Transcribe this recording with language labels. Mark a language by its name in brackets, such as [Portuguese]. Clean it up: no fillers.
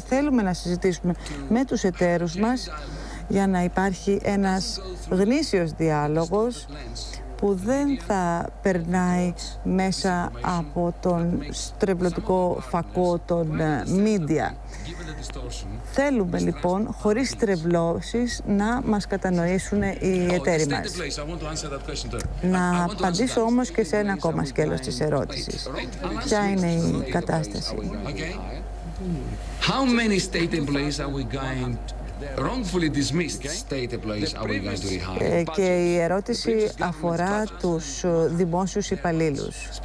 [Greek] Θέλουμε να συζητήσουμε με τους εταίρους μας για να υπάρχει ένας γνήσιος διάλογος που δεν θα περνάει μέσα από τον στρεβλωτικό φακό των media. Θέλουμε λοιπόν, χωρίς στρεβλώσεις, να μας κατανοήσουν οι εταίροι μας. Να απαντήσω όμως και σε ένα ακόμα σκέλος της ερώτησης. Ποια είναι η κατάσταση? [English] How many state employees are we going to... Wrongfully dismissed state employees are we going to rehire? [Greek] Και η ερώτηση αφορά τους δημόσιους υπαλλήλους.